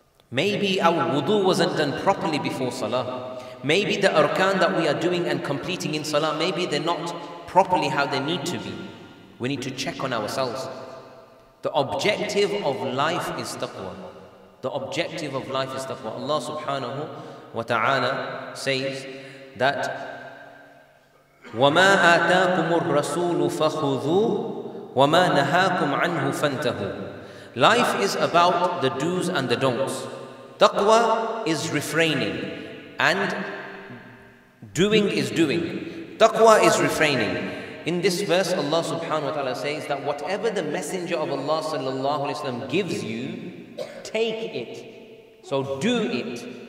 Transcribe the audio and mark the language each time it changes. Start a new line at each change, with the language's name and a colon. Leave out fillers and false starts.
English: Maybe our wudu wasn't done properly before salah. Maybe the arkan that we are doing and completing in salah, maybe they're not properly how they need to be. We need to check on ourselves. The objective of life is taqwa. The objective of life is taqwa. Allah subhanahu wa ta'ala says that,
Arabic: وَمَا آتَاكُمُ الرَّسُولُ فَخُذُوهُ وَمَا نَهَاكُمْ عَنْهُ فَانْتَهُ.
English: Life is about the do's and the don'ts. Taqwa is refraining, and doing is doing. Taqwa is refraining. In this verse, Allah subhanahu wa ta'ala says that whatever the Messenger of Allah sallallahu alayhi wa sallam gives you, take it. So do it.